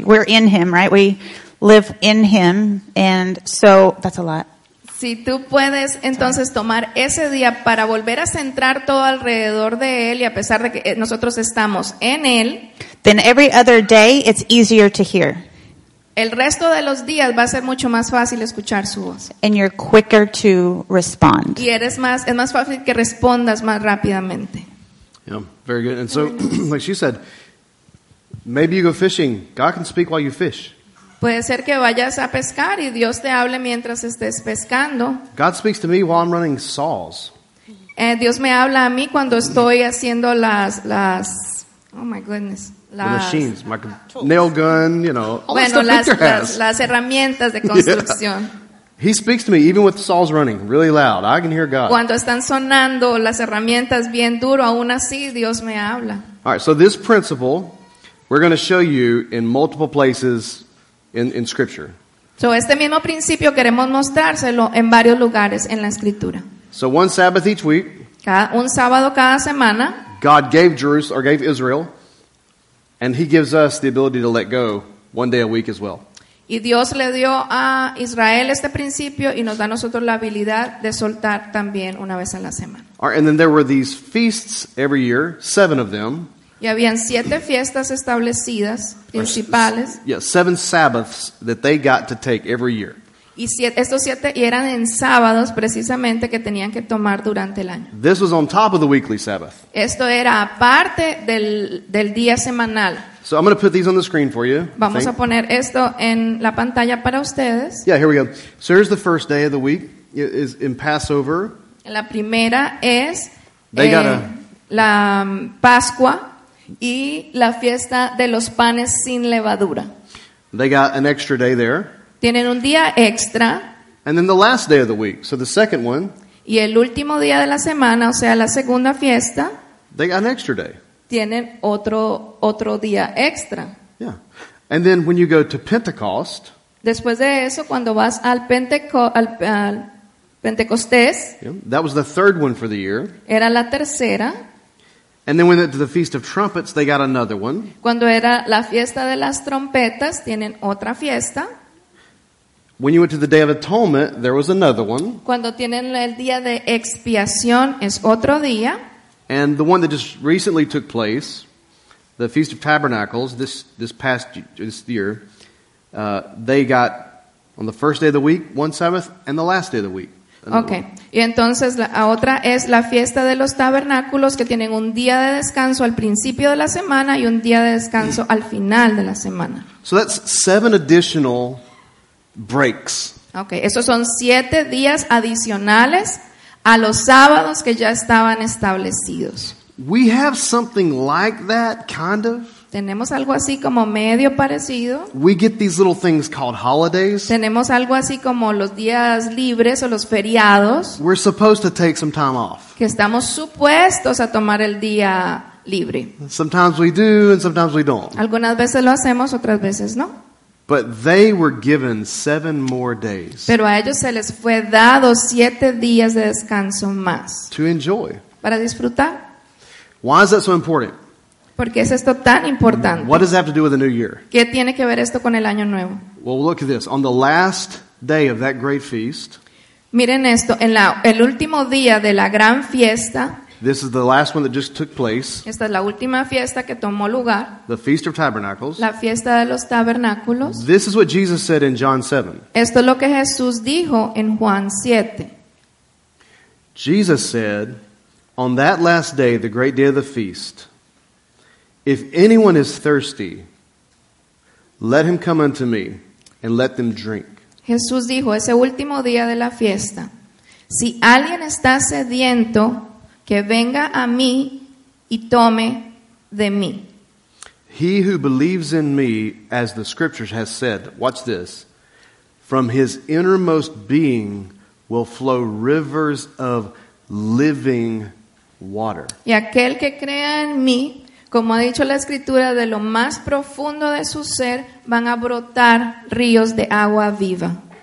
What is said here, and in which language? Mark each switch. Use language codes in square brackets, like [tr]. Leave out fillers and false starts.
[en] We're in him, right? We live in him. And so, that's a lot. [es] Si tú puedes entonces tomar ese día para volver a centrar todo alrededor de él, y a pesar de que nosotros estamos en él, [en] then every other day it's easier to hear. [es] El resto de los días va a ser mucho más fácil escuchar su voz. [en] And you're quicker to respond. [es] Y eres más, es más fácil que respondas más rápidamente. [en] Yeah, very good. And so, like she said, maybe you go fishing. God can speak while you fish. [es] Puede ser que vayas a pescar y Dios te hable mientras estés pescando. [en] God speaks to me while I'm running saws. [es] Dios me habla a mí cuando estoy haciendo las [en] oh my goodness, [es] las [en] the machines, my nail gun, you know. [es] Bueno, las herramientas de construcción. [en] Yeah. He speaks to me even with the saws running really loud. I can hear God. [es] Cuando están sonando las herramientas bien duro, aún así Dios me habla. [en] All right, so this principle we're going to show you in multiple places in scripture. [es] So este mismo principio queremos mostrárselo en varios lugares en la escritura. [en] So one Sabbath each week. [es] Un sábado cada semana. [en] God gave Jerusalem, or gave Israel, and he gives us the ability to let go one day a week as well. [es] Y Dios le dio a Israel este principio y nos da a nosotros la habilidad de soltar también una vez a la semana. [en] All right, and then there were these feasts every year, 7 of them. [es] Y habían 7 fiestas establecidas principales. [en] Yeah, 7 Sabbaths that they got to take every year. [es] Y estos 7 eran en sábados precisamente que tenían que tomar durante el año. [en] This was on top of the weekly Sabbath. [es] Esto era aparte del día semanal. [en] So I'm going to put these on the screen for you. [es] Vamos a poner esto en la pantalla para ustedes. [en] Yeah, here we go. So here's the first day of the week. It is in Passover. [es] La primera es la Pascua. Y la fiesta de los panes sin levadura. [en] They got an extra day there. [es] Tienen un día extra. [en] And then the last day of the week, so the second one. [es] Y el último día de la semana, o sea, la segunda fiesta. [en] They got an extra day. [es] Tienen otro día extra. [en] Yeah. And then when you go to Pentecost. [es] Después de eso, cuando vas al Pentecostés. [en] Yeah, that was the third one for the year. [es] Era la tercera. [en] And then when it to the Feast of Trumpets, they got another one. [es] Cuando era la fiesta de las trompetas, tienen otra fiesta. [en] When you went to the Day of Atonement, there was another one. [es] Cuando tienen el día de expiación, es otro día. [en] And the one that just recently took place, the Feast of Tabernacles, this past year, they got on the first day of the week, one Sabbath, and the last day of the week. Okay. [es] Y entonces la otra es la fiesta de los tabernáculos, que tienen un día de descanso al principio de la semana y un día de descanso al final de la semana. [en] So that's seven additional breaks. [es] Okay, esos son siete días adicionales a los sábados que ya estaban establecidos. [en] We have something like that, kind of. [es] Tenemos algo así como medio parecido. [en] We get these little things called holidays. [es] Tenemos algo así como los días libres o los feriados. [en] We're supposed to take some time off. [es] Que estamos supuestos a tomar el día libre. [en] Sometimes we do and sometimes we don't. [es] Algunas veces lo hacemos, otras veces no. [en] But they were given seven more days. [es] Pero a ellos se les fue dado siete días de descanso más. [en] To enjoy. [es] Para disfrutar. [en] Why is that so important? [es] ¿Por qué es esto tan importante? [en] What does that have to do with the new year? [es] ¿Qué tiene que ver esto con el año nuevo? [en] Well, look at this. On the last day of that great feast. [es] Miren esto. En el último día de la gran fiesta. [en] This is the last one that just took place. [es] Esta es la última fiesta que tomó lugar. [en] The Feast of Tabernacles. [es] La fiesta de los tabernáculos. [en] This is what Jesus said in John 7. [es] Esto es lo que Jesús dijo en Juan 7. [en] Jesus said, on that last day, the great day of the feast, if anyone is thirsty, let him come unto me and let them drink. [es] Jesús dijo, ese último día de la fiesta, si alguien está sediento, que venga a mí y tome de mí. [en] He who believes in me, as the scriptures has said, watch this, from his innermost being will flow rivers of living water. [es] Y aquel que crea en mí, como ha dicho la escritura, de lo más profundo de su ser van a brotar ríos de agua viva.